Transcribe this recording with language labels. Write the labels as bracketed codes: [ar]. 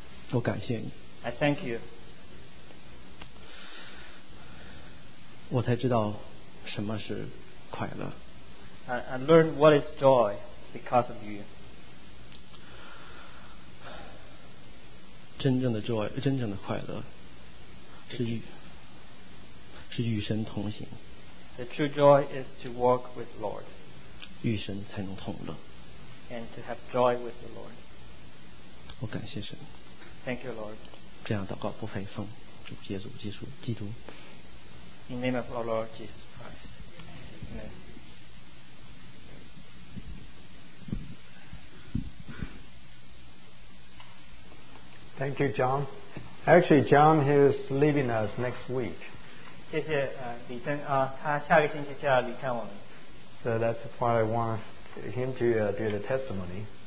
[zh] 我感谢你。 [en] I thank you. [zh] 我才知道什么是快乐。 [en] I learned what is joy because of you. [zh] 真正的 joy, 真正的快乐是与神同行。 [en] The true joy is to walk with the Lord. [zh] 与神才能同乐。 [en] And to have joy with the Lord. [zh] 我感谢神。 [en] Thank you, Lord. [zh] 这样祷告不费奉主耶稣基督基督。 [en] In name of our Lord Jesus Christ. Amen. Thank you, John. Actually, John is leaving us next week. [zh] 谢谢李真他下个星期就要离开我们。 [en] So that's why I want him to do the testimony.